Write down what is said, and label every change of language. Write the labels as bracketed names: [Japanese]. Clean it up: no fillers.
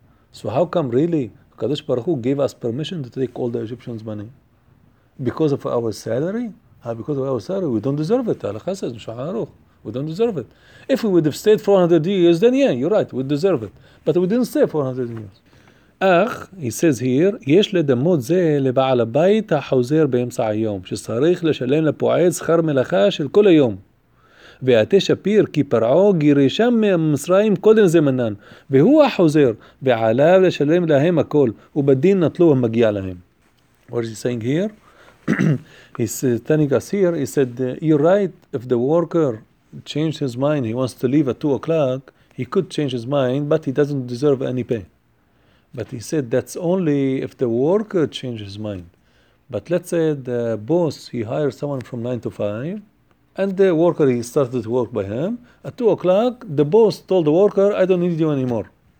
[English] So how come really, HaKadosh Baruch Hu gave us permission to take all the Egyptians' money? Because of our salary? Because of our salary, we don't deserve it. Halakha says, Shulchan Aruch, we don't deserve it. If we would have stayed 400 years, then yeah, you're right, we deserve it. But we didn't stay 400 years. [Hebrew] אך, [English] he says here, [Hebrew] יש לדמות זה לבעל הבית החוזר באמצע היום, שצריך לשלם לפועל שכר מלאכה של כל היום. ואתה שפיר כי פרעו גירשם ממצרים קודם זמנן, והוא החוזר, ועליו לשלם להם הכל, ובדין נטלו המגיע להם. [English] What is he saying here? He's telling us here, he said, you're right, if the worker changed his mind, he wants to leave at 2 o'clock, he could change his mind, but he doesn't deserve any pay. But he said, that's only if the worker changes his mind. But let's say the boss, he hires someone from 9 to 5, and the worker, he started to work by him. At 2 o'clock, the boss told the worker, I don't need you anymore.